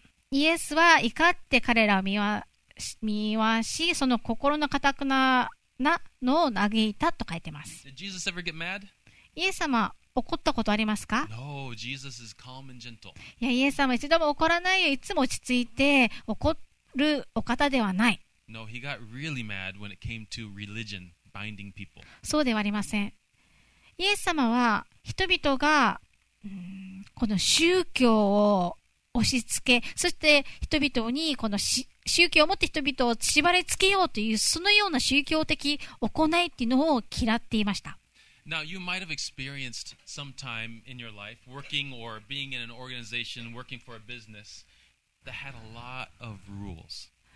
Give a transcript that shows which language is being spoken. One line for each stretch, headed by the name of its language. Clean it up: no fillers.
Japanese: イエスは怒って彼らを見は見はし、その心の固くななのを嘆いたと書いてます。
English: Did Jesus ever get mad?
Japanese: イエス様、怒ったことありますか?
English: No, Jesus is calm and gentle.
Japanese: いや、イエス様、一度も怒らないよ。いつも落ち着いて怒るお方ではない。
English: No, he got really mad when it came to religion binding people.
Japanese: そうではありません。イエス様は、人々が、この宗教を押し付け、そして人々にこの宗教を持って人々を縛りつけようというそのような宗教的行いっていうのを嫌っていました。
English: Now, you might have experienced some time in your life working or being in an organization working for a business that had a lot of rules.